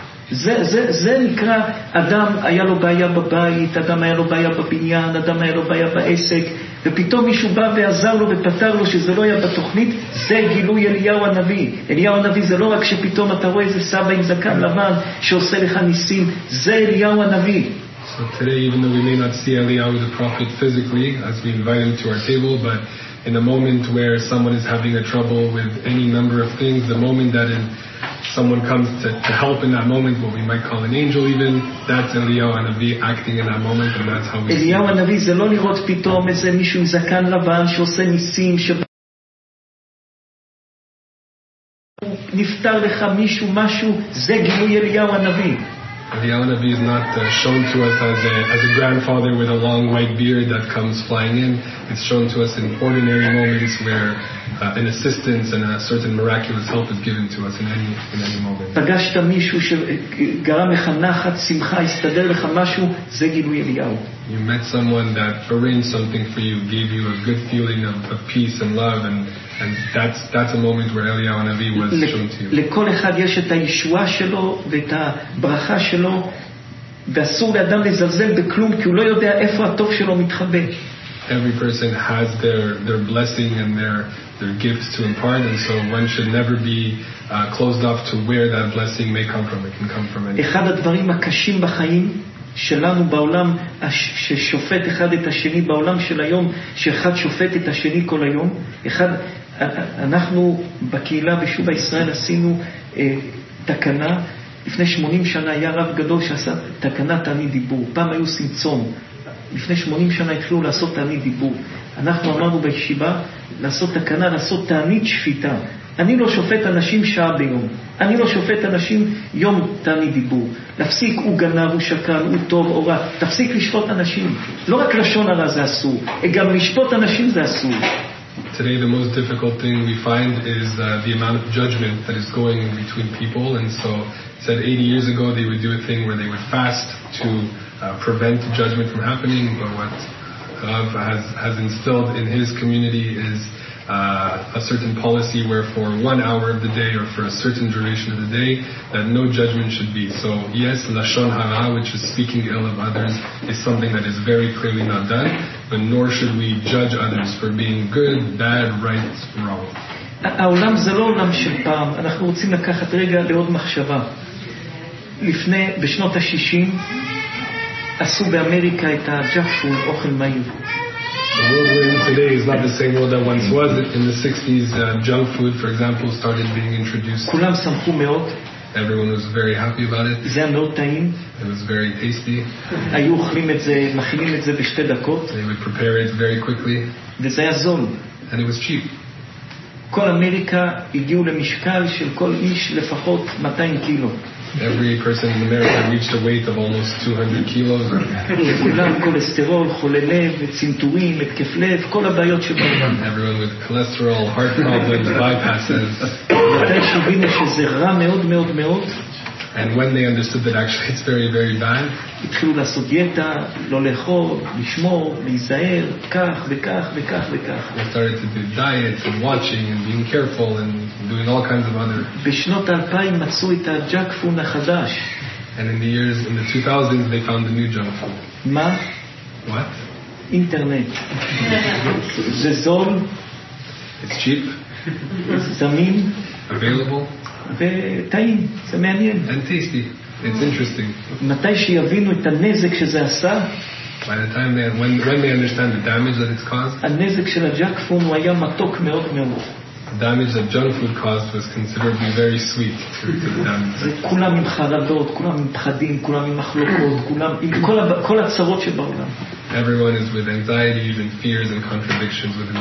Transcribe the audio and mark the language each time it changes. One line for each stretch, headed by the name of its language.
Hebrew: זה נקרא, אדם היה לו בעיה בבית, אדם היה לו בעיה בבניין, אדם היה לו בעיה בעסק, ופתאום מישהו בא ועזר לו ופתר לו שזה לא היה בתוכנית, זה גילוי אליהו הנביא. אליהו הנביא זה לא רק שפתאום אתה רואה איזה סבא עם זקן לבן שעושה לך ניסים, זה אליהו הנביא.
English: So today, even though we may not see Eliyahu the prophet physically, as we invite him to our table, but in a moment where someone is having a trouble with any number of things, the moment that someone comes to help in that moment, what we might call an angel even, that's Eliyahu HaNavi acting in that moment, and that's how we see it. Eliyahu HaNavi is not to see someone who is a
Hebrew: zakan lavan,
English: who is doing things, who is going to give you something, that's Eliyahu HaNavi. Eliyahu HaNavi is not shown to us as a grandfather with a long white beard that comes flying in. It's shown to us in ordinary moments where an assistance and a certain miraculous help is given to us in any moment.
Hebrew: פגשת מישהו שגרם לך נחת, שמחה, הסתדר לך משהו, זה גילוי אליהו.
English: You met someone that arranged something for you, gave you a good feeling of peace and love, and that's a moment where Eliyahu HaNavi was shown to you.
Hebrew: לכל אחד יש את הישועה שלו ואת הברכה שלו, ואסור לאדם לזלזל בכלום, כי הוא לא יודע איפה הטוב שלו מתחבא.
English: Every person has their blessing and their gifts to impart, and so one should never be closed off to where that blessing may come from. It can come from anywhere.
Hebrew: אחד הדברים הקשים בחיים שלנו בעולם, ששופט אחד את השני בעולם של היום, שאחד שופט את השני כל היום, אחד, אנחנו בקהילה בשובה ישראל עשינו תקנה, לפני 80 שנה היה רב גדול שעשה תקנה תעני דיבור, פעם היו סמצום, לפני 80 שנה התחילו לעשות תעני דיבור, אנחנו אמרנו בישיבה לעשות תקנה, לעשות תענית שפיטה, אני לא שופט אנשים שעה ביום, אני לא שופט אנשים יום תעני דיבור, להפסיק, הוא גנר, הוא שקל, הוא טוב או רע, תפסיק לשפוט אנשים, לא רק לשון הרע זה אסור, גם לשפוט אנשים זה אסור.
English: Today the most difficult thing we find is the amount of judgment that is going in between people, and so said 80 years ago they would do a thing where they would fast to prevent judgment from happening, but what Rav has instilled in his community is a certain policy where for 1 hour of the day or for a certain duration of the day that no judgment should be. So yes, lashon hara, which is speaking ill of others, is something that is very clearly not done, but nor should we judge others for being good, bad, right, wrong.
Hebrew: העולם זה לא עולם של פעם. אנחנו רוצים לקחת רגע לעוד מחשבה. לפני, בשנות ה-60 עשו באמריקה את הג'אפול, אוכל מהיר.
English: The world we're in today is not the same world that once was. In the 60s, junk food, for example, started being introduced.
Hebrew: כולם שמחו מאוד.
English: Everyone was very happy about it.
Hebrew: זה היה מאוד טעים.
English: It was very tasty.
Hebrew: היו אוכלים את זה, מכינים את זה בשתי דקות.
English: They would prepare it very quickly.
Hebrew: וזה היה זול.
English: And it was cheap.
Hebrew: כל אמריקה הגיעו למשקל של כל איש לפחות 200 קילו.
English: Every person in America reached a weight of almost 200 kilos.
Hebrew: כולם כולסטרול, חולי לב, צנתורים, התקף לב, כל הבעיות של כולם.
English: Everyone with cholesterol, heart problems, bypasses.
Hebrew: מתי שהבינו שזה רע מאוד מאוד מאוד.
English: And when they understood that actually it's very, very bad.
Hebrew: התחילו לעשות דיאטה, לא לאכול, לשמור, להיזהר, כך וכך וכך וכך.
English: They started to do diets and watching and being careful and doing all kinds of other.
Hebrew: בשנות ה-2000 מצאו את הג'אק פוד החדש.
English: And in the 2000s they found the new junk food.
Hebrew: מה?
English: What?
Hebrew: אינטרנט. זה זול.
English: It's cheap.
Hebrew: זמין.
English: Available.
Hebrew: וטעים, זה מעניין.
English: And tasty. It's interesting.
Hebrew: מתי שיבינו את הנזק שזה עשה?
English: By the time when they understand the damage that it's caused.
Hebrew: הנזק של הג'אק פוד הוא היה מתוק מאוד מאוד.
English: The damage that junk food caused was considered very sweet to the damage.
Hebrew: כולם עם חרדות, כולם עם פחדים, כולם עם מחלוקות, כולם עם כל הצרות שבעולם.
English: Everyone is with anxieties and fears and contradictions within